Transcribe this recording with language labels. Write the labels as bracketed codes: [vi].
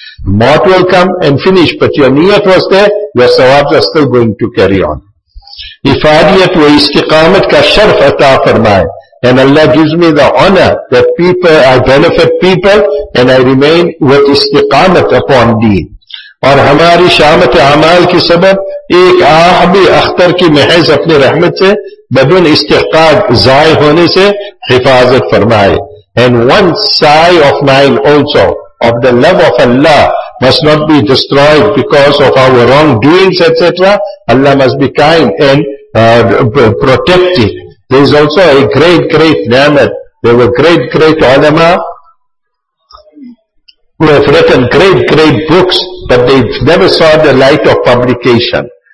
[en] Mort will come and finish, but your niyat was there, your sawabs are still going to carry on. [ur] Ifadiyat wa istiqamat ka sharf ata farmaye. [en] And Allah gives me the honor that people, I benefit people and I remain with istiqamat upon deen. [ur] اور ہماری شامت اعمال کی سبب ایک آہ بھی اختر کی محض اپنے رحمت سے بدون استحقاق ضائع ہونے سے حفاظت فرمائے. [en] And one sigh of mine also of the love of Allah must not be destroyed because of our wrongdoings etc. Allah must be kind and protective. There is also a great, great ni'mat. There were great, great ulama who have written great, great books, but they never saw the light of publication.